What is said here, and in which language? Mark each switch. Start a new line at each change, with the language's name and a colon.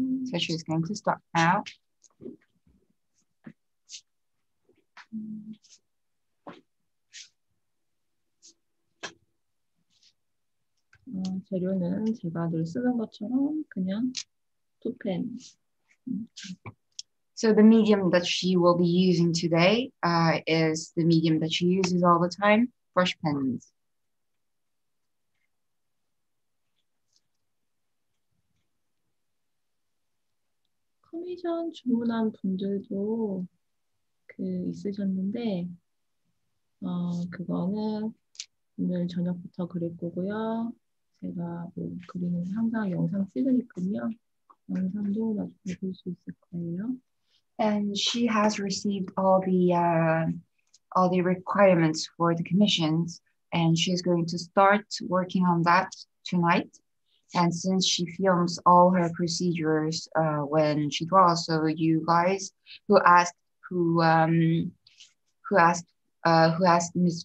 English: So she is going to start now.
Korean: 재료는 제가 늘 쓰는 것처럼 그냥 투펜.
English: So the medium that she will be using today, is the medium that she uses all the time, brush pens.
Korean: 커미션 주문한 분들도 있으셨는데, 그거는 오늘 저녁부터 그릴 거고요. 제가 뭐 그림은 항상 영상 찍으니까요. 영상도 나중에 볼수 있을 거예요.
English: And she has received all the requirements for the commissions, and she is going to start working on that tonight. And since she films all her procedures when she draws, so you guys who asked Ms.